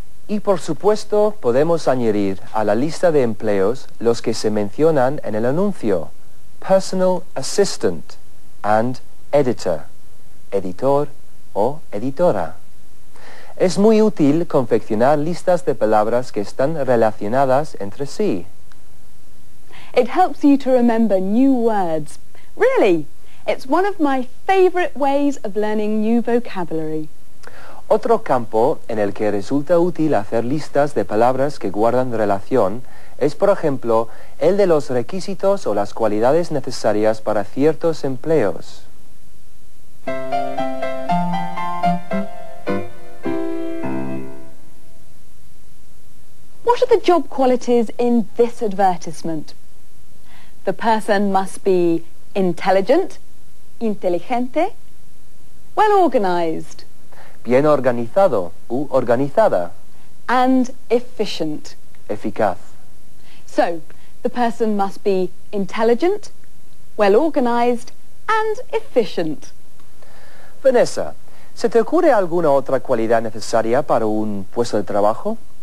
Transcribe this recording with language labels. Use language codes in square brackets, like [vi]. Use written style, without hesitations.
[es] Y por supuesto, podemos añadir a la lista de empleos los que se mencionan en el anuncio. [en] Personal assistant and editor. [es] Editor o editora. Es muy útil confeccionar listas de palabras que están relacionadas entre sí. [en] It helps you to remember new words. Really, it's one of my favorite ways of learning new vocabulary. [es] Otro campo en el que resulta útil hacer listas de palabras que guardan relación es, por ejemplo, el de los requisitos o las cualidades necesarias para ciertos empleos. [en] What are the job qualities in this advertisement? The person must be intelligent, inteligente, well organized, [es] bien organizado u organizada, [en] and efficient, [es] eficaz. [en] So, the person must be intelligent, well organized, and efficient. [es] Vanessa, ¿se te ocurre alguna otra cualidad necesaria para un puesto de trabajo?